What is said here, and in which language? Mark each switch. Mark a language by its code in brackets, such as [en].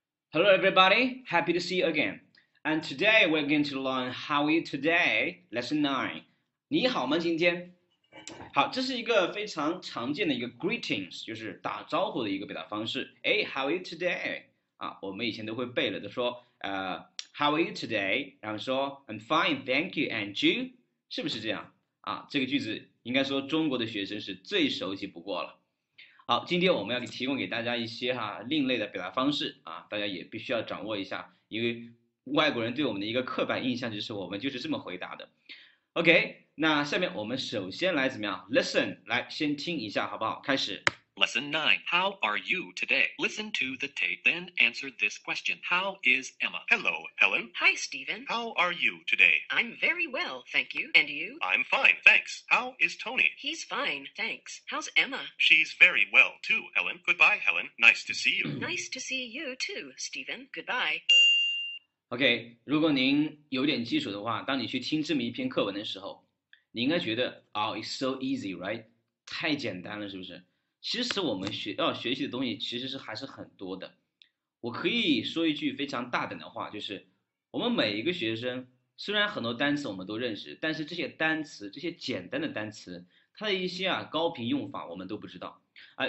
[en] Hello everybody, happy to see you again. And today we're going to learn how are you today, lesson 9. [zh] 你好吗今天？好，这是一个非常常见的一个 greetings, 就是打招呼的一个表达方式。哎 , [en] how are you today? [zh] 啊，我们以前都会背了，都说how are you today? 然后说 [en] I'm fine, thank you, and you? [zh] 是不是这样？啊，这个句子应该说中国的学生是最熟悉不过了。好，今天我们要提供给大家一些哈另类的表达方式啊，大家也必须要掌握一下，因为外国人对我们的一个刻板印象就是我们就是这么回答的。 OK, 那下面我们首先来怎么样 ？Listen, 来先听一下好不好？开始。 [en] Lesson 9. How are you today? Listen to the tape, then answer this question. How is Emma? Hello, Helen. Hi, Stephen. How are you today? I'm very well, thank you. And you? I'm fine, thanks. How is Tony? He's fine, thanks. How's Emma? She's very well, too, Helen. Goodbye, Helen. Nice to see you. Nice to see you, too, Stephen. Goodbye. [zh] OK, 如果您有点基础的话，当你去听这么一篇课文的时候，你应该觉得 [en] Oh, it's so easy, right? [zh] 太简单了，是不是？其实我们要学习的东西其实是还是很多的。我可以说一句非常大胆的话，就是我们每一个学生虽然很多单词我们都认识，但是这些单词，这些简单的单词，它的一些啊高频用法我们都不知道啊。